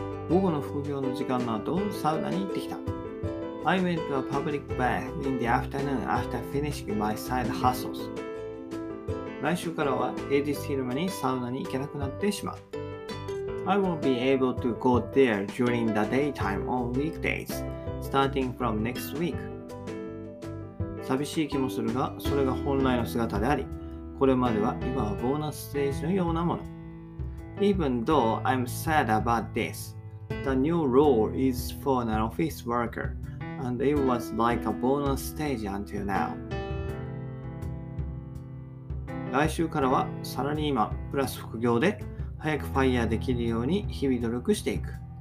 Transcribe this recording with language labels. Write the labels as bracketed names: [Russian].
[Japanese] 午後の副業の時間の後、サウナに行ってきた。 [English] I went to a public bath in the afternoon after finishing my side hustles. [Japanese] 来週からは平日昼間にサウナに行けなくなってしまう。 [English] I won't be able to go there during the daytime on weekdays, starting from next week. [Japanese] 寂しい気もするが、それが本来の姿であり、これまでは今はボーナスステージのようなもの。 [English] Even though I'm sad about this, the new role is for an office worker, and it was like a bonus stage until now. [Japanese] 来週からはサラリーマンプラス副業で、早くファイヤーできるように日々努力していく。